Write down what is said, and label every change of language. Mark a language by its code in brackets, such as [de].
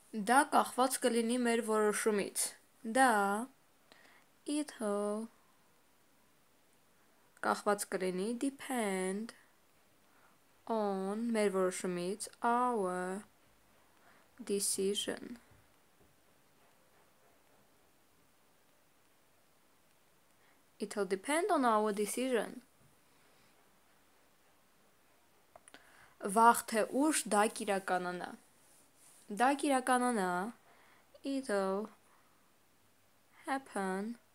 [hy] Դա կախված կլինի մեր որոշումից. Դա it'll կախված կլինի depend on մեր որոշումից our decision. [en] It'll depend on our decision. [hy] Վաղ թե ուշ դա կիրականանա. Դա կիրականանա, it'll happen.